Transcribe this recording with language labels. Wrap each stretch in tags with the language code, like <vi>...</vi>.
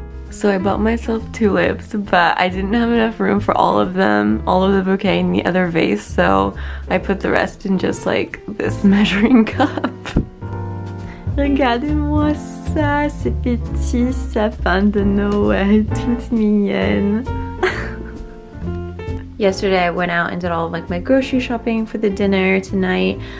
<en>So I bought myself tulips, but I didn't have enough room for all of them, all of the bouquet in the other vase, so I put the rest in just like this measuring cup.</en> <fr>Regardez-moi ça, c'est petit sapin de Noël, toute mignonne.</fr> <en>Yesterday I went out and did all of like my grocery shopping for the dinner tonight.</en>